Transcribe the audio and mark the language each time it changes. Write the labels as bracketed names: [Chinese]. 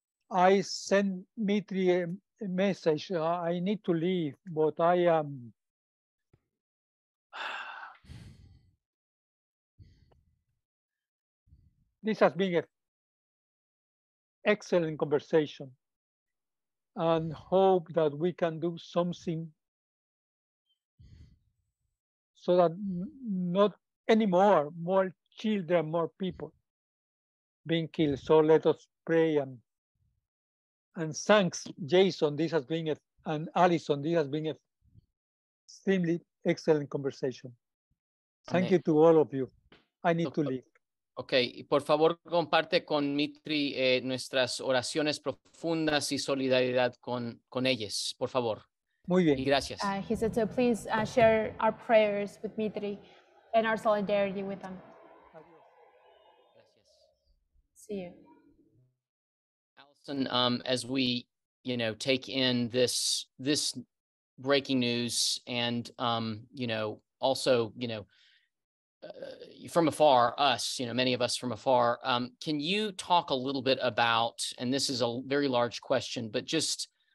[English] I sent Mitri a message. I need to leave, but I am this has been an excellent conversation, and hope that we can do something so that not anymore, more children, more people being killed. So let us pray. And thanks, Jason. This has been and Allison, this has been an extremely excellent conversation. Thank you to all of you. I need to leave. Okay. [Spanish] Por favor, comparte con Mitri nuestras oraciones profundas y solidaridad con ellas, por favor. Muy bien. Y gracias. [English] He said, so please share our prayers with Mitri and our solidarity with them. [Spanish] Gracias. [English] See you. And as we, you know, take in this breaking news and, you know, also, you know, from afar, us, you know, many of us from afar, can you talk a little bit about, and this is a very large question, but just,